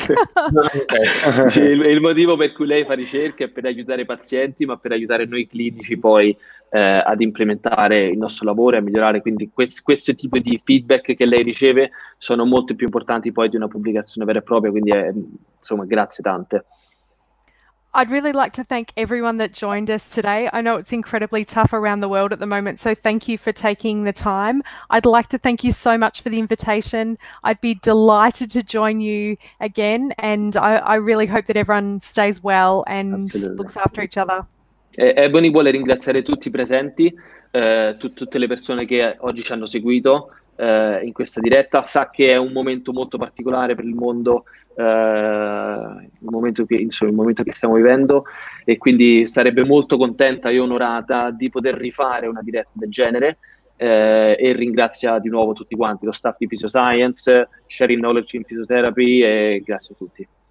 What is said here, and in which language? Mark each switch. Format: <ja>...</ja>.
<it>Cioè, il motivo per cui lei fa ricerca è per aiutare i pazienti, ma per aiutare noi clinici poi ad implementare il nostro lavoro e a migliorare. Quindi questo tipo di feedback che lei riceve sono molto più importanti poi di una pubblicazione vera e propria, quindi insomma grazie tante.</it> <en>I'd really like to thank everyone that joined us today. I know it's incredibly tough around the world at the moment, so thank you for taking the time. I'd like to thank you so much for the invitation. I'd be delighted to join you again, and I really hope that everyone stays well and Absolutely. Looks after each other.</en> <it>Ebony vuole ringraziare tutti i presenti, tutte le persone che oggi ci hanno seguito in questa diretta. Sa che è un momento molto particolare per il mondo, il momento che stiamo vivendo, e quindi sarebbe molto contenta e onorata di poter rifare una diretta del genere, e ringrazia di nuovo tutti quanti, lo staff di FisioScience, Sharing Knowledge in Physiotherapy, e grazie a tutti.</it>